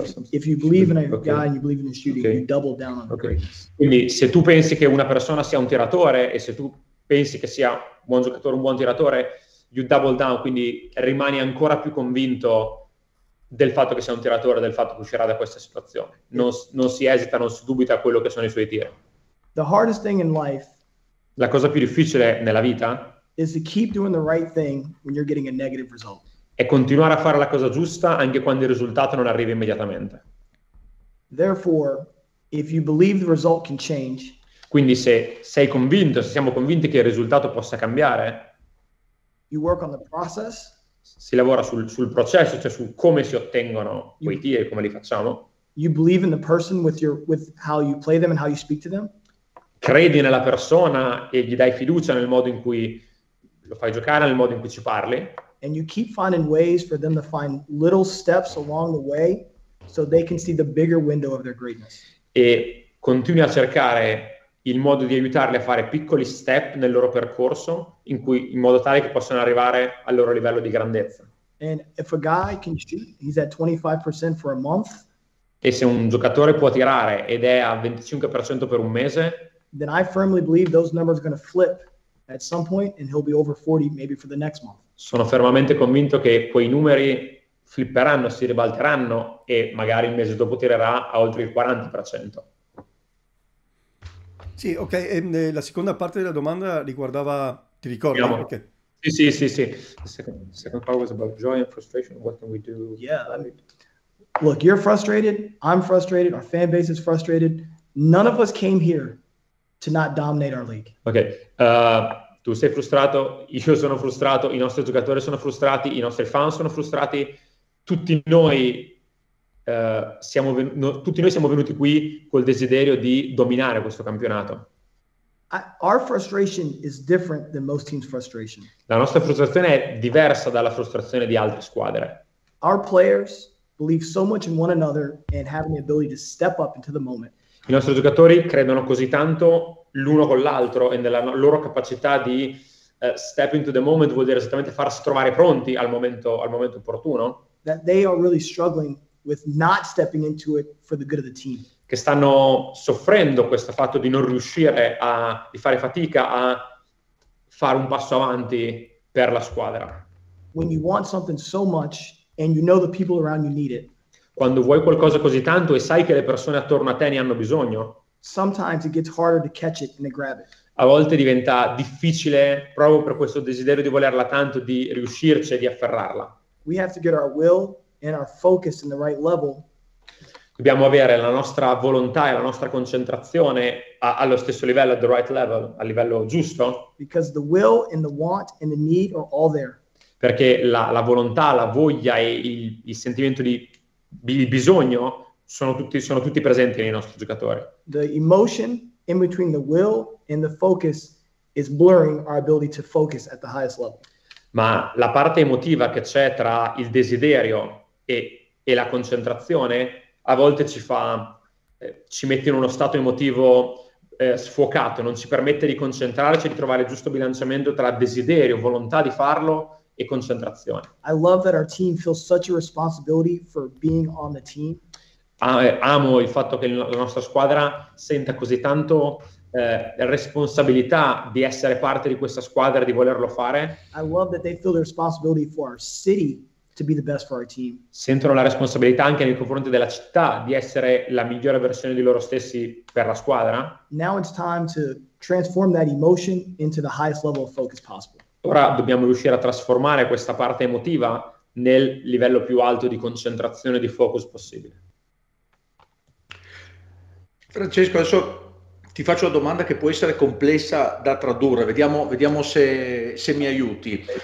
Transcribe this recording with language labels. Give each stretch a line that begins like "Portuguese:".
English: If you believe in a guy and you believe in his shooting, you double down on his greatness.
Italian: Quindi se tu pensi che una persona sia un tiratore e se tu pensi che sia un buon giocatore, un buon tiratore,
English: you double down,
Italian: quindi rimani ancora più convinto del fatto che sia un tiratore, del fatto che uscirà da questa situazione. Non si esita, non si dubita quello che sono i suoi tiri.
English: The hardest thing in life.
Italian: La cosa più difficile nella vita
English: is to keep doing the right thing when you're getting a negative result.
Italian: È continuare a fare la cosa giusta anche quando il risultato non arriva immediatamente.
English: Therefore, if you believe the result can change.
Italian: Quindi se sei convinto, se siamo convinti che il risultato possa cambiare,
English: you work on the process.
Italian: Si lavora sul processo, cioè su come si ottengono quei tiri, come li facciamo.
English: You believe in the person with how you play them and how you speak to them.
Italian: Credi nella persona e gli dai fiducia nel modo in cui lo fai giocare nel modo in cui ci parli.
English: And you keep finding ways for them to find little steps along the way so they can see the bigger window of their greatness.
Italian: E continui a cercare il modo di aiutarli a fare piccoli step nel loro percorso in cui, in modo tale che possano arrivare al loro livello di grandezza.
English: And if a guy can shoot, he's at 25% for a month.
Italian: E se un giocatore può tirare ed è a 25% per un mese,
English: then I firmly believe those numbers are going to flip at some point and he'll be over 40 maybe for the next month.
Italian: Sono fermamente convinto che quei numeri flipperanno, si ribalteranno e magari il mese dopo tirerà a oltre il 40%. Sì, ok. E la seconda parte della domanda riguardava, ti ricordi?
English: Yeah. Okay. Sì. The second part was about joy and frustration. What can we do? Yeah. Look, you're frustrated. I'm frustrated. Our fan base is frustrated. None of us came here to not dominate our league. Ok.
Italian: Tu sei frustrato, io sono frustrato, i nostri giocatori sono frustrati, i nostri fan sono frustrati, tutti noi siamo venuti qui col desiderio di dominare questo campionato.
English: Our frustration is different than most teams' frustration.
Italian: La nostra frustrazione è diversa dalla frustrazione di altre squadre.
English: Our players believe so much in one another and have the ability to step up into the moment.
Italian: I nostri giocatori credono così tanto l'uno con l'altro e nella loro capacità di
English: step into the moment
Italian: vuol dire esattamente farsi trovare pronti al momento opportuno.
English: That they are really struggling with not stepping into it for the good of the team.
Italian: Che stanno soffrendo questo fatto di non riuscire a di fare fatica a fare un passo avanti per la squadra.
English: When you want something so much and you know the people around you need it.
Italian: Quando vuoi qualcosa così tanto e sai che le persone attorno a te ne hanno bisogno,
English: sometimes it gets harder to catch it and to grab it.
Italian: A volte diventa difficile, proprio per questo desiderio di volerla tanto, di riuscirci e di afferrarla.
English: We have to get our will and our focus in the right level.
Italian: Dobbiamo avere la nostra volontà e la nostra concentrazione allo stesso livello,
English: at the right level,
Italian: a livello giusto.
English: Because the will and the want and the need are all there.
Italian: Perché la volontà, la voglia e il sentimento di il bisogno sono tutti presenti nei nostri giocatori.
English: The emotion in between the will and the focus is blurring our ability to focus at the highest level.
Italian: Ma la parte emotiva che c'è tra il desiderio e la concentrazione a volte ci mette in uno stato emotivo sfocato, non ci permette di concentrarci, di trovare il giusto bilanciamento tra desiderio, volontà di farlo e concentrazione.
English: I love that our team feels such a responsibility for being on the team.
Italian: Amo il fatto che la nostra squadra senta così tanto responsabilità di essere parte di questa squadra e di volerlo fare.
English: I love that they feel the responsibility for our city to be the best for our team.
Italian: Sentono la responsabilità anche nei confronti della città di essere la migliore versione di loro stessi per la squadra.
English: Now it's time to transform that emotion into the highest level of focus possible.
Italian: Ora dobbiamo riuscire a trasformare questa parte emotiva nel livello più alto di concentrazione e di focus possibile. Francesco, adesso ti faccio una domanda che può essere complessa da tradurre, vediamo se mi aiuti.